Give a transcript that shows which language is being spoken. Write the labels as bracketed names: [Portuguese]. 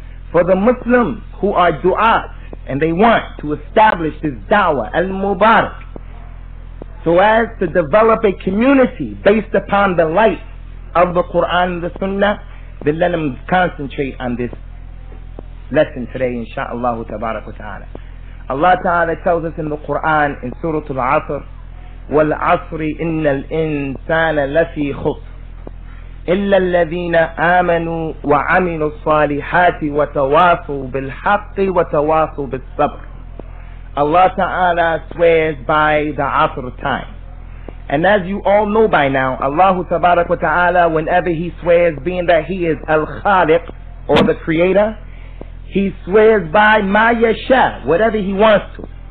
[English] For the Muslims who are du'at and they want to establish this Dawah, Al-Mubarak, so as to develop a community based upon the light of the Quran and the Sunnah, then let them concentrate on this lesson today, insha'Allah tabarak wa ta'ala. Allah ta'ala tells us in the Quran in Surah Al-Asr, [Arabic] وَالْعَصْرِ إِنَّ الْإِنسَانَ لَفِي خُسْرٍ إِلَّا الَّذِينَ آمَنُوا وَعَمِلُوا الصَّالِحَاتِ وَتَوَاصُوا بِالْحَقِّ وَتَوَاصُوا بِالصَّبْرِ. [English] Allah ta'ala swears by the Asr time. And as you all know by now, Allah tabarak wa ta'ala, whenever He swears, being that He is Al-Khaliq, or the Creator, He swears by Ma Yasha, whatever He wants to.